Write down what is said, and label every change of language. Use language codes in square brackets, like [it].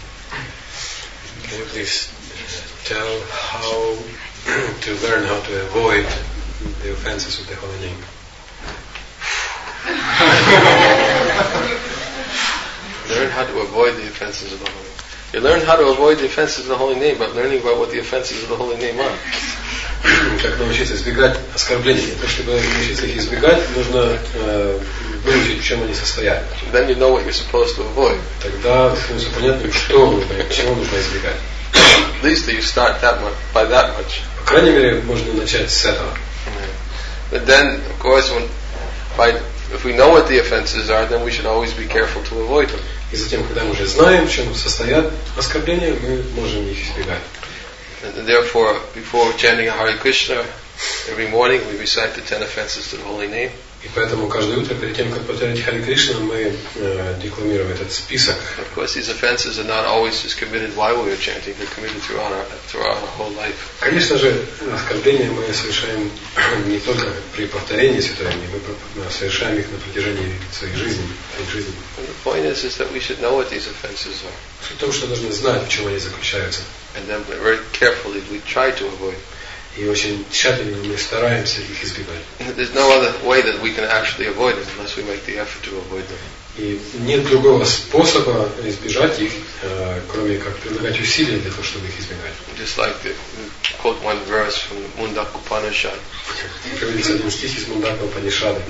[en] Can you please tell how to learn how to avoid the offenses of the holy name? Learn how to avoid the offenses of the holy name. You learn how to avoid the offenses of the holy name, but learning about what the offenses of the holy name are. [ru] Как научиться избегать оскорблений? То, чтобы научиться их избегать, нужно выучить, в чем они состоят. [en] Then you know what you're supposed to avoid. [ru] Тогда становится понятно, что нужно, чего нужно избегать. [en] At least you start that much, by that much. [ru] По крайней мере, можно начать с этого. [en] But then, of course, if we know what the offenses are, then we should always be careful to avoid them. [ru] И затем, когда мы уже знаем, в чем состоят оскорбления, мы можем их избегать. [en] And therefore, before chanting Hare Krishna, every morning we recite the 10 offenses to the holy name. [ru] И поэтому каждое утро, перед тем, как повторять Харе Кришна, мы декламируем этот список. [en] Of course, these offenses are not always just committed while we are chanting, they're committed throughout our whole life. [ru] Конечно же, оскорбления мы совершаем не только при повторении святой имени, мы совершаем их на протяжении своей жизни. [en] And the point is that we should know what these offenses are. [ru] Суть в том, что должны знать, в чем они заключаются. [en] And then very carefully we try to avoid. [ru] И очень тщательно мы стараемся их избегать. [en] There's no other way that we can actually avoid it unless we make the effort to avoid them. [ru] И нет другого способа избежать их, кроме как прилагать усилия для того, чтобы их избегать. [en] Just like the quote one verse from the Mundaka Upanishad. [ru] Приводится один стих из Мундака Упанишады.